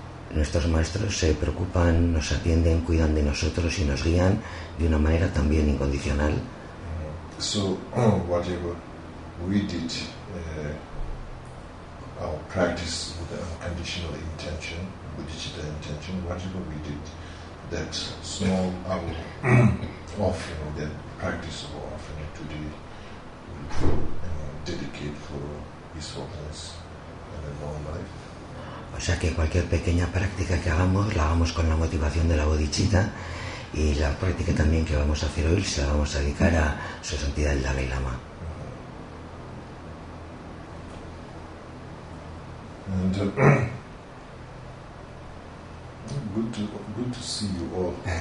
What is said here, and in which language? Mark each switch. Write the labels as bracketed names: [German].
[Spanish] Nuestros maestros se preocupan, nos atienden, cuidan de nosotros y nos guían de una manera también incondicional. [English] So whatever we did, our practice with unconditional intention, bodhicitta intention, whatever we did, that small our offering, that practice of offering today, dedicate for His holiness and a long life. [Spanish] O sea que cualquier pequeña práctica que hagamos la hagamos con la motivación de la bodhicitta, y la práctica también que vamos a hacer hoy se la vamos a dedicar a su santidad el Dalai Lama. [English] And, good to see you all.